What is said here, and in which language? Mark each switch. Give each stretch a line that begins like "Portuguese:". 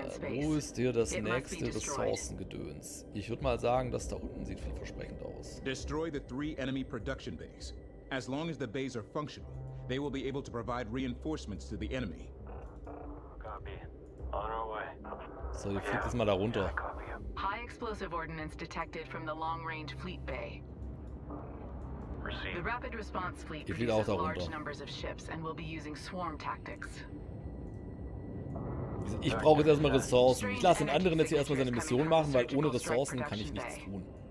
German: Wo ist hier das nächste Ressourcengedöns? Ich würde mal sagen, das da unten sieht vielversprechend aus.
English: Destroy the three enemy production base. As long as the base are functional, they will be able to provide reinforcements to the enemy. Copy. On our way.
German: So, ihr fliegt jetzt mal da runter.
English: High explosive ordnance detected from the long range fleet bay. The rapid response fleet produces large numbers of ships and will be using swarm tactics.
German: Ich brauche jetzt erstmal Ressourcen. Ich lasse den anderen jetzt hier erstmal seine Mission machen, weil ohne Ressourcen kann ich nichts tun.